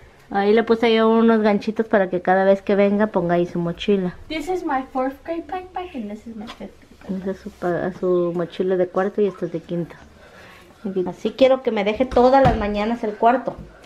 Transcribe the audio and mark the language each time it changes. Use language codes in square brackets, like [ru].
[es] Ahí le puse yo unos ganchitos para que cada vez que venga ponga ahí su mochila. [en] This is my fourth grade backpack and this is my fifth grade. [es] Esa es su mochila de cuarto y esta es de quinto. Así quiero que me deje todas las mañanas el cuarto.